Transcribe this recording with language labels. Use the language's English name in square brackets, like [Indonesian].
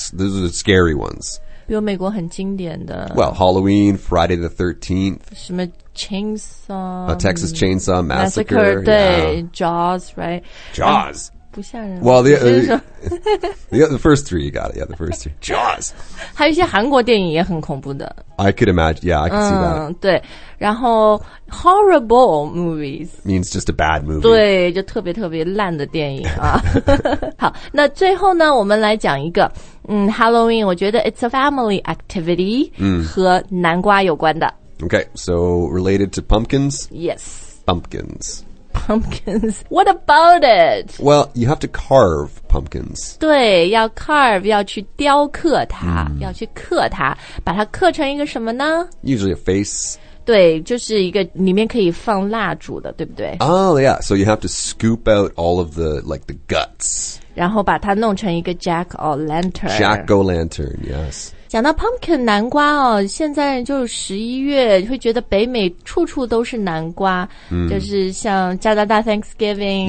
[English] Those are the scary ones. [Chinese] 比如美国很经典的 [English] Well, Halloween, Friday the 13th [Chinese] 什么 Chainsaw [English] Texas Chainsaw Massacre [Chinese] 对、 [English] yeah. Jaws, right? Jaws、 [Chinese] 不吓人 [English] Well, the first three, you got it Yeah, the first three Jaws [Chinese] 还有一些韩国电影也很恐怖的 [English] I could imagine, yeah, I could see that [Chinese] 对然后 horrible movies [English] means just a bad movie [Chinese] 对就特别特别烂的电影啊。好那最后呢我们来讲一个嗯 Halloween 我觉得 [English] it's a family activity、 [Chinese] 和南瓜有关的 [English] Okay, so related to pumpkins? Yes Pumpkins What about it? Well, you have to carve pumpkins [Chinese] 对要 carve 要去雕刻它、要去刻它把它刻成一个什么呢 [English] Usually a face [Chinese] 对就是一个里面可以放蜡烛的对不对 [English] Oh yeah So you have to scoop out all of the Like the guts [Chinese] 然后把它弄成一个 jack-o-lantern [English] Jack-o-lantern, yes [Chinese] 讲到 pumpkin 南瓜哦现在就是11月会觉得北美处处都是南瓜、就是像加拿大 Thanksgiving